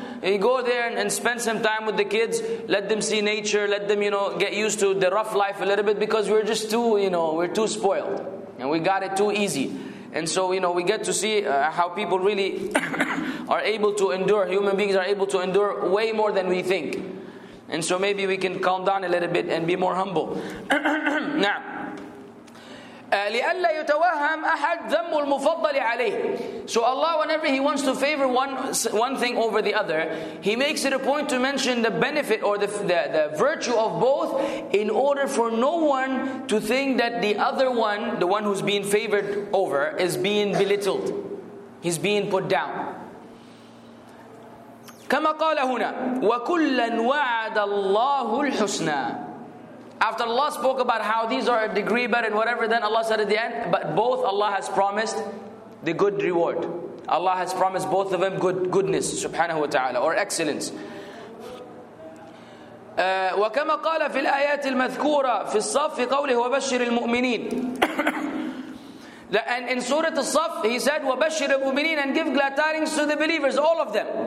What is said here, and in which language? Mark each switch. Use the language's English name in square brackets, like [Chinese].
[English] You go there and spend some time with the kids, let them see nature, let them, you know, get used to the rough life a little bit, because we're just too, you know, we're too spoiled, and we got it too easy. And so, you know, we get to see how people really are able to endure, human beings are able to endure way more than we think. And so maybe we can calm down a little bit and be more humble. [Arabic] نعم. لئلا يتوهم أحد ذم المفضل عليه. [English] So Allah, whenever He wants to favor one thing over the other, He makes it a point to mention the benefit or the virtue of both, in order for no one to think that the other one, the one who's being favored over, is being belittled. He's being put down. [Arabic] كما قال هنا وكلا وعد الله الحسنى. [English] After Allah spoke about how these are a degree better and whatever, then Allah said at the end, but both Allah has promised the good reward. Allah has promised both of them goodness, subhanahu wa ta'ala, or excellence. [Arabic] وكما قال في الآيات المذكورة في الصف في قوله وبشر المؤمنين. [English] And in Surah Al-Saff, He said [Arabic] وبشر المؤمنين, [English] and give glad tidings to the believers, all of them.